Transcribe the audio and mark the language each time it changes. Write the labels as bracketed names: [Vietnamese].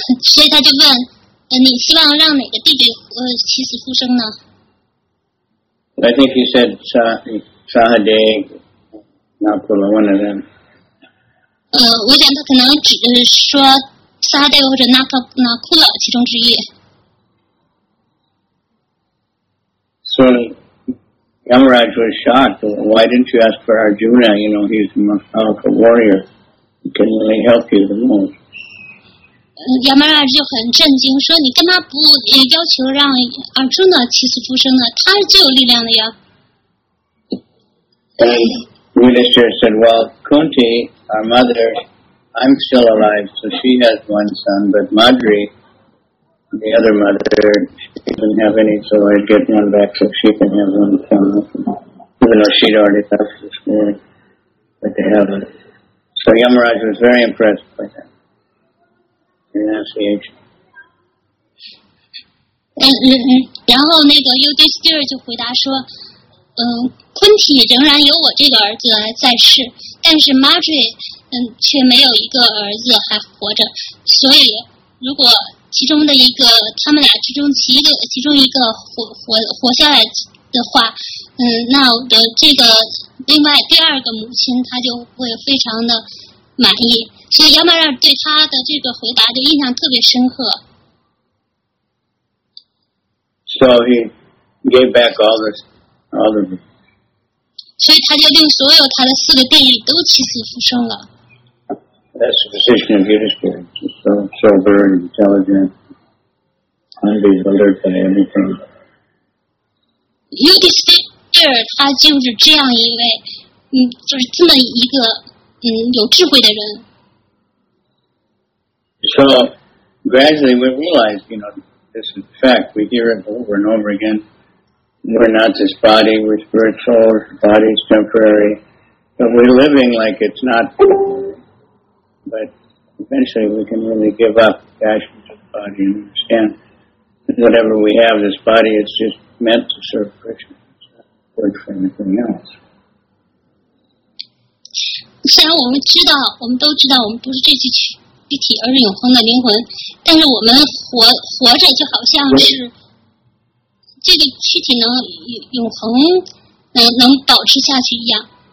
[Chinese] 所以他就问，你希望让哪个弟弟起死回生呢？ [English] I think he said Sahadev, Nakula, one of them. [Chinese] 我想他可能只是说 Sahadev 或者 Nakula 其中之一。 [English] So Yamaraj was shocked. Why didn't you ask for Arjuna? You know, he's the most powerful warrior. He can really help you the most. [Chinese] Yamaraj 就很震惊，说你干嘛不要求让阿朱呢起死复生呢？他是最有力量的呀。 [English] And Yudhisthira said, "Well, Kunti, our mother, I'm still alive, so she has one son. But Madri, the other mother, she doesn't have any, so I'd get one back so she can have one son, even though she'd already passed this world, but to heaven." So Yamaraj was very impressed by that. [Chinese] 然后那个 Yudhisthira 就回答说，昆体仍然有我这个儿子在世，但是 Madri 却没有一个儿子还活着，所以如果其中的一个他们俩之中其中一个 活下来的话，那我的这个另外第二个母亲她就会非常的满意。所以亚马拉对他的这个回答就印象特别深刻。 [English] So he gave back all the all of them. [Chinese] 所以他就令所有他的四个弟弟都起死复生了。 [English] That's the position of Yudhisthira, so sober and intelligent, and be alert by anything. [Chinese] Yudhisthira 他就是这样一位，就是这么一个有智慧的人。 [English] So gradually we realize, you know, this is a fact. We hear it over and over again. We're not this body, we're spiritual, our body's temporary. But we're living like it's not. But eventually we can really give up the passions of the body and understand that whatever we have, this body is just meant to serve Krishna. It's not good for anything else. [Chinese] 虽然我们知道，我们都知道，我们不是这具躯体，而是永恒的灵魂。但是我们活着，就好像是这个躯体能永恒能保持下去一样。